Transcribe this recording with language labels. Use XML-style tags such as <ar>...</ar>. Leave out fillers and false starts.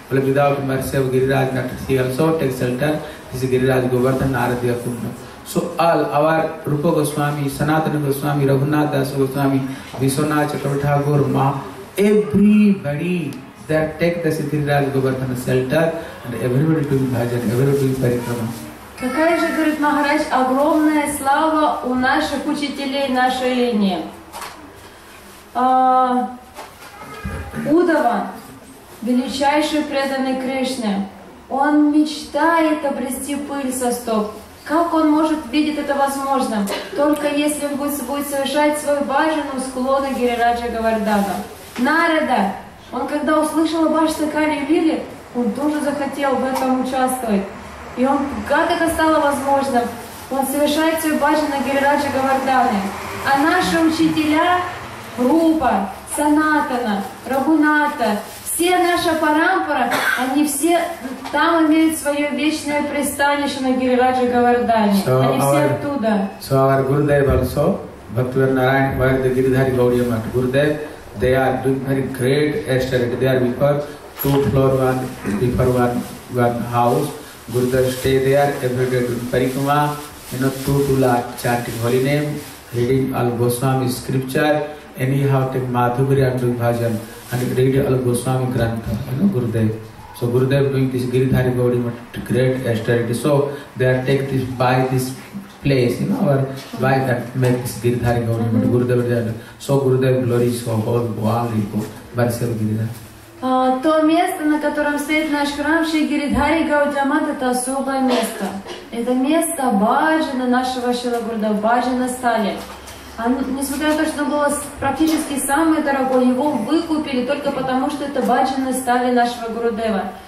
<en>But without mercy of Giriraj, he also takes shelter, this is Giriraj Govardhan, Narad Yakunna. So all our Rupa Goswami, Sanatana Goswami, Raghunath Das Goswami, Vishwanath Chakravarti Thakur, Ma, everybody that take the Siddhiraj Govardhana shelter and everybody doing bhajan, everybody doing parikrama.</en> <ru>Какая же, говорит Махарадж, огромная слава у наших учителей нашей линии. Удава, величайший преданный Кришне, он мечтает обрести пыль со стоп. Как он может видеть это возможно? Только если он будет совершать свой бажану склоны Гирираджа Говардана. Нарада, он когда услышал об Аштакали Лиле, он тоже захотел в этом участвовать. И он, как это стало возможным? Он совершает свой бажану Гирираджа Говардана. А наши учителя, Рупа, Санатана, Рагуната, все наши парампара, они все там имеют свое вечное пристанище на Гирираджа Говардане.</ru> <en>So</en> <ru>они все оттуда.</ru> <en>So our Gurudev also, Bhaktivar Narayan, where the Giridhari Gaudiya Mata Gurudev, they are doing very great austerity. They are before two floor one, before one house. Gurudev stay there every day doing parikrama, you know, two chanting holy name, reading all Goswami scripture, anyhow take Madhuri and doing bhajan. and read all Goswami Granth, you know, Gurudev. So Gurudev doing this Giridhari Gaudi Math, great austerity. So they are take this by this place, you know, or by that make this Giridhari Gaudi Math, Gurudev. So Gurudev glories for all Gwali, Barsev Giridhar.</en> <ru>То место, на котором стоит наш храм, Шри Гиридхари Гаудиамат, это особое место. Это место баджана нашего Шрила Гурудева, баджана стали. А несмотря на то, что оно было практически самое дорогое, его выкупили только потому, что это баджана стали нашего Гурудева.</ru>